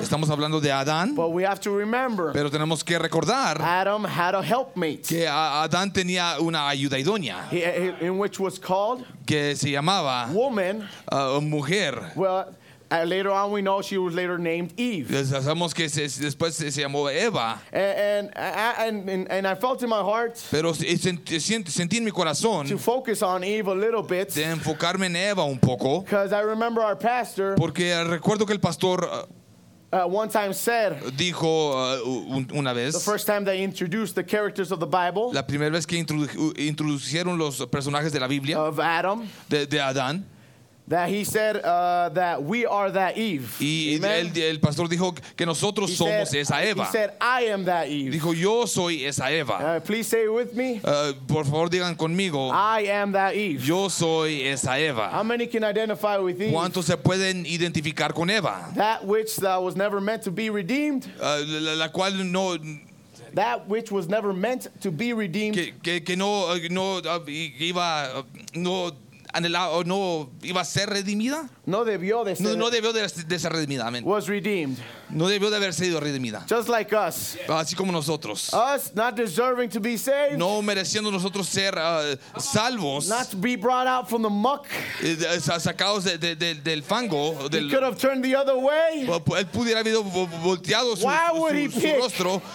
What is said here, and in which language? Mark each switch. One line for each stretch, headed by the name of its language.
Spanish: Estamos hablando de Adán.
English: But we have to remember.
Spanish: Pero tenemos que recordar.
English: Adam had a helpmate.
Spanish: Que Adán tenía una ayuda idónea.
English: In which was called.
Spanish: Que se llamaba.
English: Woman.
Spanish: Mujer.
English: Well. Later on, we know she was later named Eve.
Spanish: Sabemos que después se llamó Eva.
English: And I felt in my heart.
Spanish: Pero sentí en mi corazón.
English: To focus on Eve a little bit.
Spanish: De enfocarme en Eva un poco.
English: Because I remember our pastor.
Spanish: Porque recuerdo que el pastor.
English: One time said.
Spanish: Dijo una vez.
English: The first time they introduced the characters of the Bible.
Spanish: La primera vez que introdujeron los personajes de la Biblia.
English: Of Adam.
Spanish: De Adán.
English: That he said that we are that Eve.
Spanish: Y el pastor dijo que nosotros
English: he
Spanish: somos
English: said,
Spanish: esa Eva.
English: He said, I am that Eve.
Spanish: Dijo, yo soy esa Eva.
English: Please say it with me.
Spanish: Por favor, digan conmigo.
English: I am that Eve.
Spanish: Yo soy esa Eva.
English: How many can identify with Eve?
Spanish: ¿Cuántos se pueden identificar con Eva?
English: That which that was never meant to be redeemed.
Spanish: La cual no...
English: That which was never meant to be redeemed.
Spanish: Que no iba... No, anhelaba o no iba a ser redimida. No debió de ser redimida.
English: Was redeemed.
Spanish: No debió de haber sido redimida.
English: Just like us.
Spanish: Así como nosotros.
English: Us not deserving to be saved.
Spanish: No mereciendo nosotros ser salvos.
English: Not to be brought out from the muck.
Spanish: Sacados del fango.
English: He could have turned the other way.
Spanish: Él pudiera haber volteado su rostro.